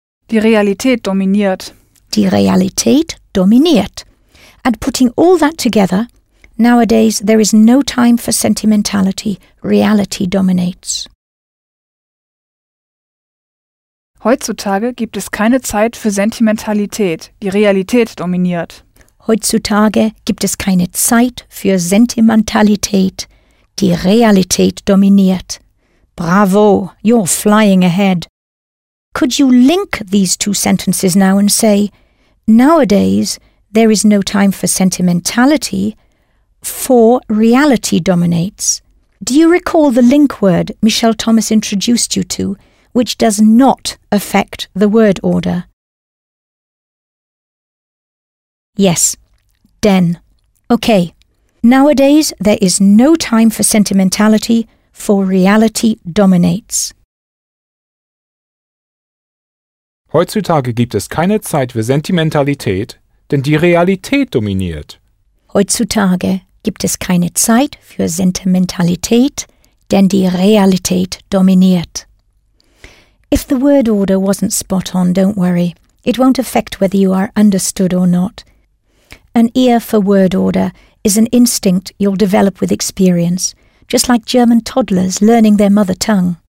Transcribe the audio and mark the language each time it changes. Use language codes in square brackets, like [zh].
[de] Die Realität dominiert. Die Realität dominiert. [en] And putting all that together, nowadays there is no time for sentimentality. Reality dominates. [de] Heutzutage gibt es keine Zeit für Sentimentalität. Die Realität dominiert. Heutzutage gibt es keine Zeit für Sentimentalität. Die Realität dominiert. [en] Bravo, you're flying ahead. Could you link these two sentences now and say, nowadays, there is no time for sentimentality, for reality dominates. Do you recall the link word Michelle Thomas introduced you to, which does not affect the word order? Yes, den. Okay, nowadays there is no time for sentimentality, for reality dominates. [de] Heutzutage gibt es keine Zeit für Sentimentalität, denn die Realität dominiert. Heutzutage gibt es keine Zeit für Sentimentalität, denn die Realität dominiert. [en] If the word order wasn't spot on, don't worry. It won't affect whether you are understood or not. An ear for word order is an instinct you'll develop with experience, just like German toddlers learning their mother tongue.